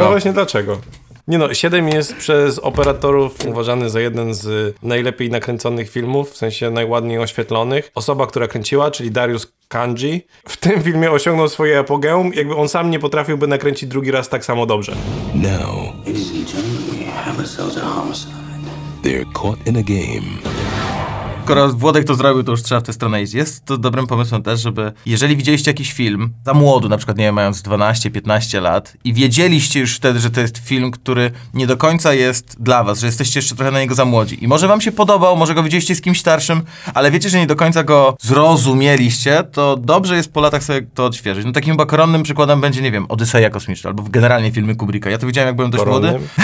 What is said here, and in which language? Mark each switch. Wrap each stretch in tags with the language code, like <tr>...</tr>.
<pl>No właśnie, dlaczego? Nie no, 7 jest przez operatorów uważany za jeden z najlepiej nakręconych filmów, w sensie najładniej oświetlonych. Osoba, która kręciła, czyli Darius Kanji, w tym filmie osiągnął swoje apogeum, jakby on sam nie potrafiłby nakręcić drugi raz tak samo dobrze.</pl> <en>Now, ladies and gentlemen, we have ourselves a homicide. They're caught in a game.</en> <pl>Skoro Włodek to zrobił, to już trzeba w tę stronę iść. Jest to dobrym pomysłem też, żeby jeżeli widzieliście jakiś film za młodu, na przykład nie wiem, mając 12-15 lat i wiedzieliście już wtedy, że to jest film, który nie do końca jest dla was, że jesteście jeszcze trochę na niego za młodzi i może wam się podobał, może go widzieliście z kimś starszym, ale wiecie, że nie do końca go zrozumieliście, to dobrze jest po latach sobie to odświeżyć. No takim chyba koronnym przykładem będzie, nie wiem, Odyseja kosmiczna albo generalnie filmy Kubricka. Ja to widziałem, jak byłem dość młody.</pl>